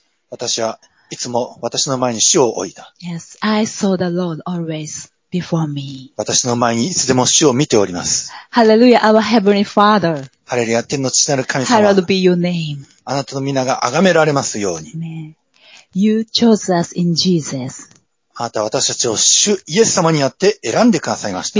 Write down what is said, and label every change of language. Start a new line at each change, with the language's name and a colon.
Japanese: 私はいつも私の前に主を置いた。
English: Yes, I saw the Lord always before me.
Japanese: 私の前にいつでも主を見ております。
English: Hallelujah, our Heavenly Father.
Japanese: ハレルヤ、天の父なる神様。
English: Hallowed be your name.
Japanese: あなたの皆が崇められますように。
English: Amen. You chose us in Jesus.
Japanese: あなたは私たちを主イエス様によって選んでくださいました。